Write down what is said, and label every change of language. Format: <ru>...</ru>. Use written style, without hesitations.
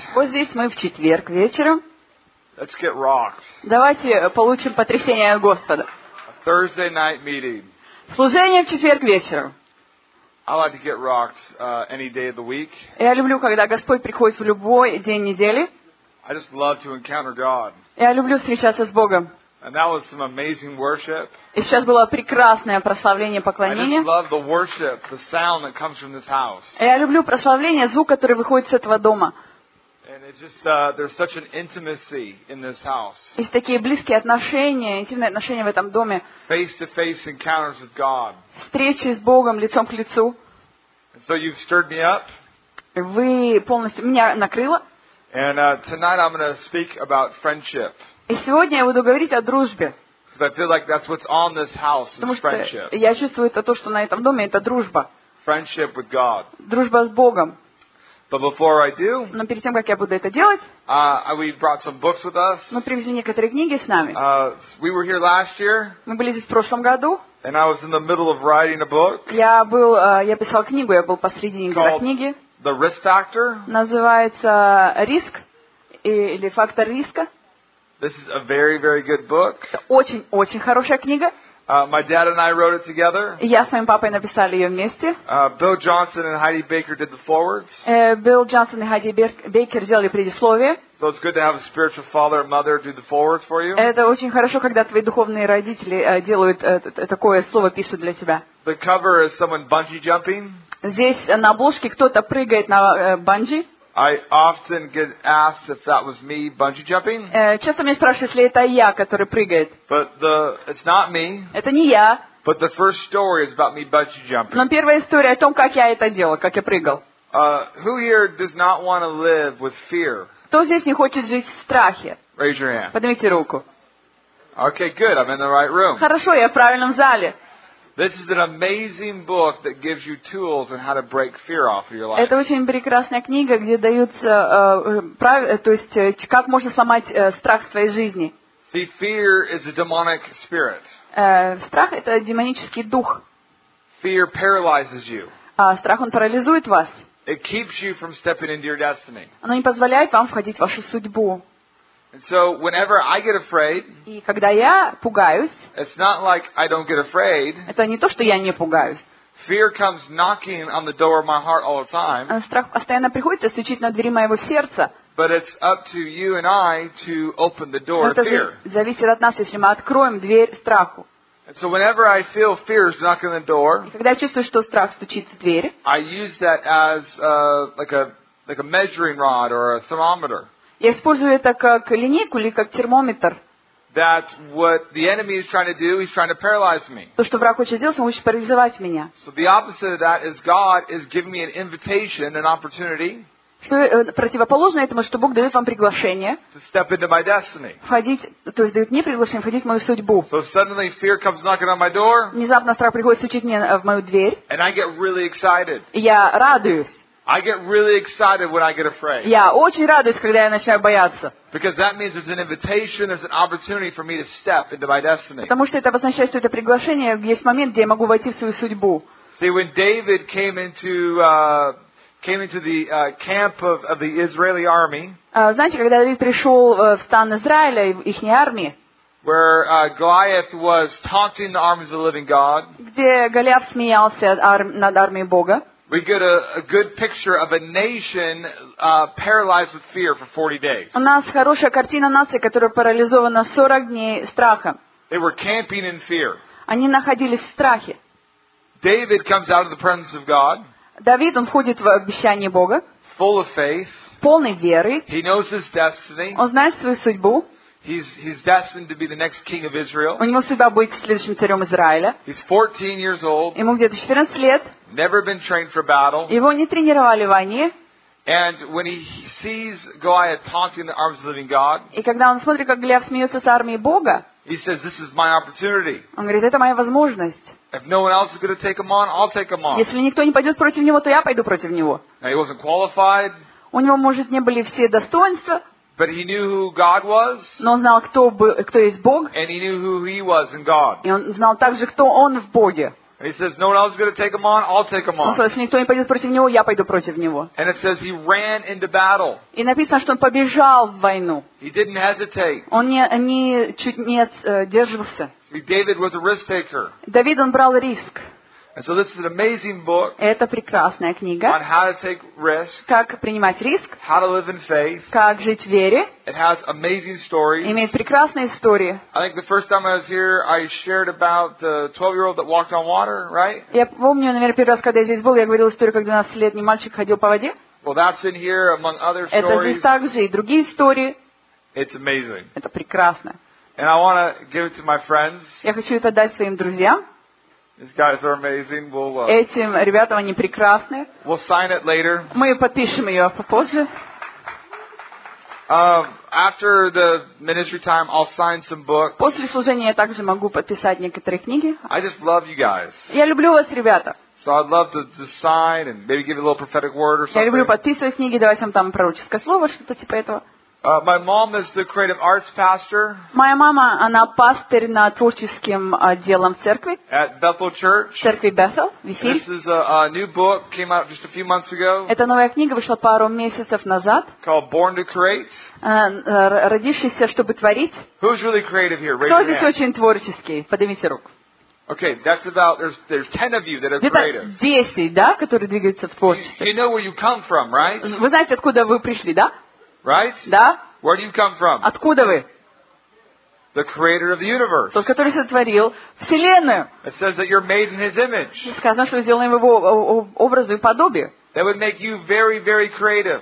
<ru>Вот здесь мы в четверг вечером.</ru> <en>Let's get rocked.</en> <ru>Давайте получим потрясение от Господа.</ru> <en>A Thursday night meeting.</en> <ru>Служение в четверг вечером.</ru> <en>I like to get rocked any day of the week.</en> <ru>Я люблю, когда Господь приходит в любой день недели.</ru> <en>I just love to encounter God.</en> <ru>Я люблю встречаться с Богом.</ru> <en>And that was some amazing worship.</en> <ru>И сейчас было прекрасное прославление, поклонение.</ru> <en>I just love the worship, the sound that comes from this house.</en> <ru>Я люблю прославление, звук, который выходит с этого дома.</ru> <en>And it's just there's such an intimacy in this house.</en> <ru>Есть такие близкие отношения, интимные отношения в этом доме.</ru> <en>Face-to-face encounters with God.</en> <ru>Встречи с Богом лицом к лицу.</ru> <en>And so you've stirred me up.</en> <ru>Вы полностью меня накрыло.</ru> <en>And tonight I'm going to speak about friendship.</en> <ru>И сегодня я буду говорить о дружбе.</ru> <en>Because I feel like that's what's on this house is friendship.</en> <ru>Я чувствую это то, что на этом доме это дружба.</ru> <en>Friendship with God.</en> <ru>Дружба с Богом.</ru> <en>But before I do,</en> <ru>но перед тем, как я буду это делать,</ru> <en>we brought some books with us.</en> <ru>Мы привезли некоторые книги с нами.</ru> <en>We were here last year.</en> <ru>Мы были здесь в прошлом году.</ru> <en>And I was in the middle of writing a book.</en> <ru>Я писал книгу, я был посредине книги.</ru> <en>The risk factor.</en> <ru>Называется риск или фактор риска.</ru> <en>This is a very, very good book.</en> <ru>Это очень, очень хорошая книга.</ru> <en>My dad and I wrote it together.</en> <ru>Я с моим папой написали ее вместе.</ru> <en>Bill Johnson and Heidi Baker did the forewords.</en> <ru>Bill Johnson и Heidi Baker сделали предисловие.</ru> <en>So it's good to have a spiritual father or mother do the forewords for you.</en> <ru>Это очень хорошо, когда твои духовные родители делают такое слово, пишут для тебя.</ru> <en>The cover is someone bungee jumping.</en> <ru>Здесь на обложке кто-то прыгает на банджи.</ru> <en>I often get asked if that was me bungee jumping.</en> <ru>Часто меня спрашивают, если это я, который прыгает.</ru> <en>But it's not me.</en> <ru>Это не я.</ru> <en>But the first story is about me bungee jumping.</en> <ru>Но первая история о том, как я это делал, как я прыгал.</ru> <en>Who here does not want to live with fear?</en> <ru>Кто здесь не хочет жить в страхе?</ru> <en>Raise your hand.</en> <ru>Поднимите руку.</ru> <en>Okay, good. I'm in the right room.</en> <ru>Хорошо, я в правильном зале.</ru> <en>This is an amazing book that gives you tools on how to break fear off of your life.</en> <ru>Это очень прекрасная книга, где даются то есть как можно сломать страх в твоей жизни.</ru> <en>See, fear is a demonic spirit.</en> <ru>Страх это демонический дух.</ru> <en>Fear paralyzes you.</en> <ru>Страх он парализует вас.</ru> <en>It keeps you from stepping into your destiny.</en> <ru>Оно не позволяет вам входить в вашу судьбу.</ru> <en>And so whenever I get afraid,</en> <ru>и когда я пугаюсь,</ru> <en>it's not like I don't get afraid.</en> <ru>Это не то, что я не пугаюсь.</ru> <en>Fear comes knocking on the door of my heart all the time.</en> <ru>Страх постоянно приходит и стучит на двери моего сердца.</ru> <en>But it's up to you and I to open the door to fear.</en> <ru>Зависит от нас, если мы откроем дверь страху.</ru> <en>And so whenever I feel fear is knocking on the door,</en> <ru>и когда я чувствую, что страх стучит в дверь,</ru> <en>I use that as like a measuring rod or a thermometer.</en> <ru>Я использую это как линейку или как термометр.</ru> <en>That what the enemy is trying to do, he's trying to paralyze me.</en> <ru>То, что враг хочет сделать, он хочет парализовать меня.</ru> <en>So the opposite of that is God is giving me an invitation, an opportunity.</en> <ru>Что противоположно этому, что Бог дает вам приглашение.</ru> <en>To step into my destiny.</en> <ru>Входить, то есть дает мне приглашение входить в мою судьбу.</ru> <en>So suddenly fear comes knocking on my door.</en> <ru>Внезапно страх приходит стучить мне в мою дверь.</ru> <en>And I get really excited.</en> <ru>Я радуюсь.</ru> <en>I get really excited when I get afraid.</en> <ru>Я очень радуюсь, когда я начинаю бояться.</ru> <en>Because that means there's an invitation, there's an opportunity for me to step into my destiny.</en> <ru>Потому что это означает, что это приглашение, есть момент, где я могу войти в свою судьбу.</ru> <en>See, when David came into the camp of the Israeli army.</en> <ru>Знаете, когда Давид пришел в стан Израиля, ихней армии.</ru> <en>Where Goliath was taunting the armies of the living God.</en> <ru>Где Голиаф смеялся над армией Бога.</ru> <en>We get a good picture of a nation paralyzed with fear for 40 days.</en> <ru>У нас хорошая картина нации, которая парализована 40 дней страхом.</ru> <en>They were camping in fear.</en> <ru>Они находились в страхе.</ru> <en>David comes out of the presence of God.</en> <ru>Давид, он входит в обещание Бога.</ru> <en>Full of faith.</en> <ru>Полный веры.</ru> <en>He knows his destiny.</en> <ru>Он знает свою судьбу.</ru> <en>He's destined to be the next king of Israel.</en> <ru>У него судьба быть следующим царем Израиля.</ru> <en>He's 14 years old.</en> <ru>Ему где-то 14 лет.</ru> <en>Never been trained for battle.</en> <ru>Его не тренировали в войне.</ru> <en>And when he sees Goliath taunting the armies of the living God.</en> <ru>И когда он смотрит, как Голиаф смеется с армией Бога.</ru> <en>He says, "This is my opportunity."</en> <ru>Он говорит, это моя возможность.</ru> <en>If no one else is going to take him on, I'll take him on.</en> <ru>Если никто не пойдет против него, то я пойду против него.</ru> <en>Now, he wasn't qualified.</en> <ru>У него, может, не были все достоинства.</ru> <en>But he knew who God was.</en> <ru>Но он знал, кто есть Бог.</ru> <en>And he knew who he was in God.</en> <ru>И он знал также, кто он в Боге.</ru> <en>And he says, "No one else is going to take him on. I'll take him on."</en> <ru>Он сказал, если никто не пойдет против него, я пойду против него.</ru> <en>And it says he ran into battle.</en> <ru>И написано, что он побежал в войну.</ru> <en>He didn't hesitate.</en> <ru>Он не чуть не сдерживался.</ru> <en>See, David was a risk taker.</en> <ru>Давид, он брал риск.</ru> <en>And so this is an amazing book.</en> <ru>Это прекрасная книга.</ru> <en>On how to take risk.</en> <ru>Как принимать риск.</ru> <en>How to live in faith.</en> <ru>Как жить в вере.</ru> <en>It has amazing stories.</en> <ru>Имеет прекрасные истории.</ru> <en>I think the first time I was here, I shared about the 12-year-old that walked on water, right?</en> <ru>Я помню, наверное, первый раз, когда я здесь был, я говорил историю, как 12-летний мальчик ходил по воде.</ru> <en>Well, that's in here among other stories.</en> <ru>Это здесь также и другие истории.</ru> <en>It's amazing.</en> <ru>Это прекрасно.</ru> <en>And I want to give it to my friends.</en> <ru>Я хочу это дать своим друзьям.</ru> <en>These guys are amazing. We'll.</en> <ru>Этим ребятам они прекрасны.</ru> <en>We'll sign it later.</en> <ru>Мы подпишем ее попозже.</ru> <en>After the ministry time, I'll sign some books.</en> <ru>После служения я также могу подписать некоторые книги.</ru> <en>I just love you guys.</en> <ru>Я люблю вас, ребята.</ru> <en>So I'd love to sign and maybe give you a little prophetic word or something.</en> <ru>Я люблю подписывать книги, давать вам там пророческое слово, что-то типа этого.</ru> <en>My mom is the creative arts pastor.</en> <ru>Моя мама, она пастор на творческим отделом церкви.</ru> <en>At Bethel Church.</en> <ru>Церкви Bethel.</ru> <en>This is a new book came out just a few months ago.</en> <ru>Это новая книга вышла пару месяцев назад.</ru> <en>Called Born to Create.</en> <ru>Родившийся, чтобы творить.</ru> <en>Who's really creative here?</en> <ru>Кто здесь очень творческий? Поднимите руку.</ru> <en>Okay, that's about there's 10 of you that are creative.</en> <ru>10, да, которые двигаются в творчестве.</ru> <en>You know where you come from, right?</en> <ru>Вы знаете, откуда вы пришли, да?</ru> <en>Right?</en> <ru>Да?</ru> <en>Where do you come from?</en> <ru>Откуда вы?</ru> <en>The creator of the universe.</en> <ru>Тот, который сотворил вселенную.</ru> <en>It says that you're made in his image.</en> <ru>Сказано, что вы сделаны в его образу и подобие.</ru> <en>That would make you very, very creative.</en>